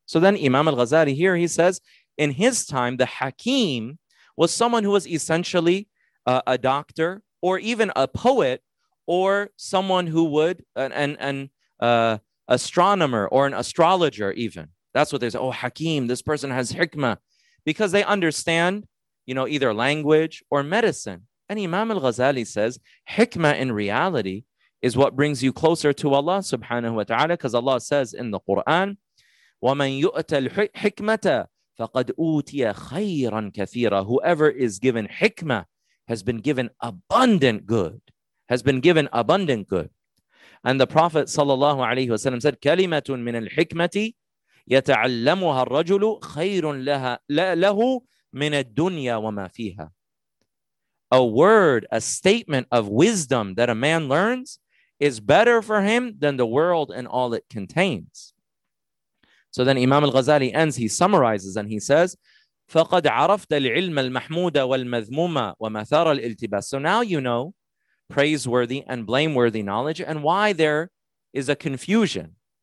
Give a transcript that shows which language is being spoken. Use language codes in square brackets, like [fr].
[en] So then Imam al-Ghazali here, he says, in his time, the Hakim was someone who was essentially a doctor or even a poet or someone who would, an astronomer or an astrologer even. That's what they say. Oh, Hakim, this person has hikmah. Because they understand, you know, either language or medicine. And Imam al-Ghazali says, hikmah in reality is what brings you closer to Allah subhanahu wa ta'ala. Because Allah says in the Quran, [ar] وَمَنْ يُؤْتَ الْحِكْمَةَ فَقَدْ أُوْتِيَ خَيْرًا كَثِيرًا. [en] Whoever is given hikmah has been given abundant good. Has been given abundant good. And the Prophet sallallahu alayhi wa sallam said, [ar] كَلِمَةٌ مِنَ الْحِكْمَةِ يَتَعَلَّمُهَا الرَّجُلُ خَيْرٌ لَهُ مِنَ الدُّنْيَا وَمَا فِيهَا. [en] A word, a statement of wisdom that a man learns is better for him than the world and all it contains. So then Imam al-Ghazali ends, he summarizes and he says, [ar] فَقَدْ عَرَفْتَ الْعِلْمَ الْمَحْمُودَ وَالْمَذْمُومَ وَمَثَارَ الْإِلْتِبَاسِ. [en] So now you know praiseworthy and blameworthy knowledge and why there is a confusion.